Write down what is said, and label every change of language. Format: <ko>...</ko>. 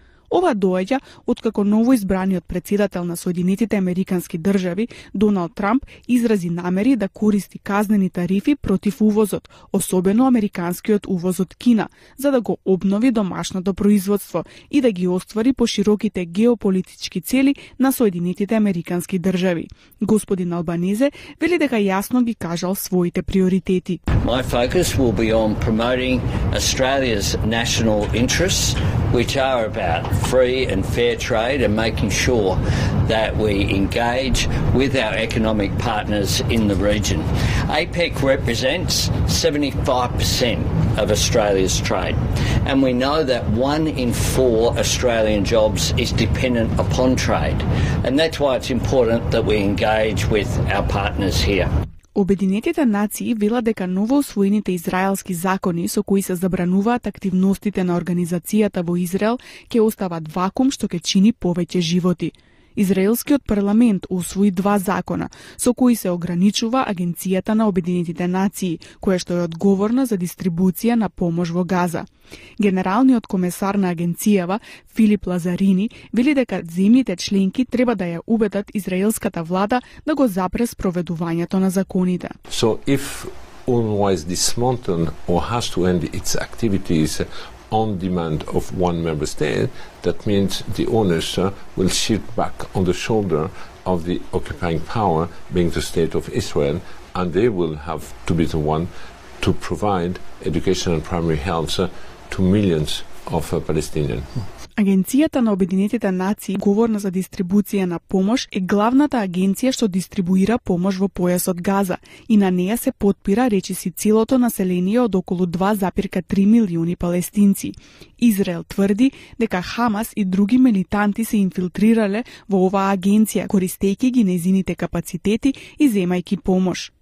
<mk>Ова доаѓа откако новоизбраниот председател на Соединетите Американски држави, Доналд Трамп, изрази намери да користи казнени тарифи против увозот, особено американскиот увоз од Кина, за да го обнови домашното производство и да ги оствари пошироките геополитички цели на Соединетите Американски држави. Господин Албанезе вели дека јасно ги кажал своите приоритети.</mk> <en>My focus will be on promoting Australia's national interests, which are about free and fair trade and making sure that we engage with our economic partners in the region. APEC represents 75% of Australia's trade, and we know that one in four Australian jobs is dependent upon trade, and that's why it's important that we engage with our partners here.</en> <mk>Обединетите нации велат дека новоусвоените израелски закони со кои се забрануваат активностите на организацијата во Израел ќе остават вакуум што ќе чини повеќе животи. Израелскиот парламент усвои два закона со кои се ограничува агенцијата на Обединетите нации која што е одговорна за дистрибуција на помош во Газа. Генералниот комесар на агенцијава Филип Лазарини вели дека земјите членки треба да ја убедат израелската влада да го запре спроведувањето на законите.</mk> <en>So if UNRWA is dismantled or has to end its activities on demand of one member state, that means the onus will shift back on the shoulder of the occupying power, being the state of Israel, and they will have to be the one to provide education and primary health to millions of Palestinians.</en> <mk>Агенцијата на Обединетите нации, одговорна за дистрибуција на помош, е главната агенција што дистрибуира помош во појасот Газа и на неа се подпира, речиси, целото население од околу 2,3 милиони палестинци. Израел тврди дека Хамас и други милитанти се инфилтрирале во оваа агенција, користејќи ги нејзините капацитети и земајки помош.</mk>